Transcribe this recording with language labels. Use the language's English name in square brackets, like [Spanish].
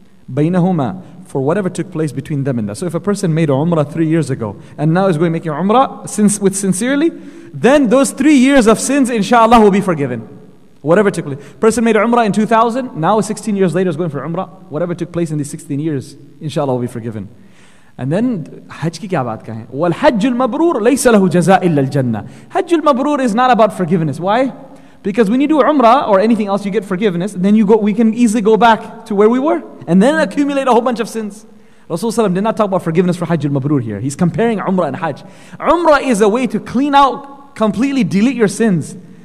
[Arabic] بَيْنَهُمَا, [English] for whatever took place between them and that. So if a person made umrah 3 years ago and now is going to make umrah with sincerely, then those 3 years of sins, inshallah, will be forgiven. Whatever took place. Person made Umrah in 2000, now 16 years later is going for Umrah. Whatever took place in these 16 years, inshallah, will be forgiven. And then, [Hindi] हज की क्या बात का है? [Arabic] Wal Hajj al Mabroor, laysa lahu jaza' illa al Jannah. [English] Hajj al Mabroor is not about forgiveness. Why? Because when you do Umrah or anything else, you get forgiveness. Then we can easily go back to where we were and then accumulate a whole bunch of sins. Rasulullah did not talk about forgiveness for Hajj al Mabroor here. He's comparing Umrah and Hajj. Umrah is a way to clean out, completely delete your sins.